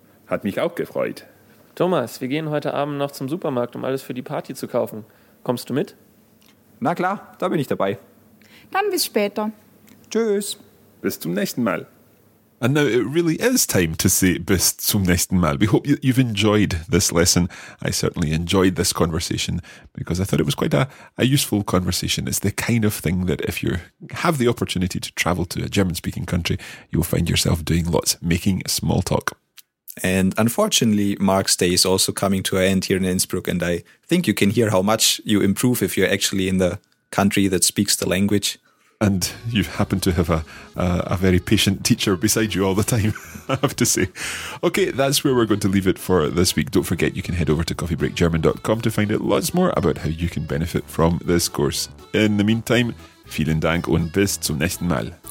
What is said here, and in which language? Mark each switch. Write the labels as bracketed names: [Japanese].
[German] Hat mich auch gefreut. Thomas, wir gehen heute Abend noch zum Supermarkt, um alles für die Party zu kaufen. Kommst du mit? Na klar, da bin ich dabei. Dann bis später. Tschüss. Bis zum nächsten Mal. [English] And now it really is time to say [German] bis zum nächsten Mal. [English] We hope you've enjoyed this lesson. I certainly enjoyed this conversation because I thought it was quite a useful conversation. It's the kind of thing that if you have the opportunity to travel to a German-speaking country, you'll find yourself doing lots, making small talk. And unfortunately, Mark's day is also coming to an end here in Innsbruck, and I think you can hear how much you improve if you're actually in the country that speaks the language. And you happen to have a very patient teacher beside you all the time, I have to say. Okay, that's where we're going to leave it for this week. Don't forget, you can head over to coffeebreakgerman.com to find out lots more about how you can benefit from this course. In the meantime, [German] vielen Dank und bis zum nächsten Mal.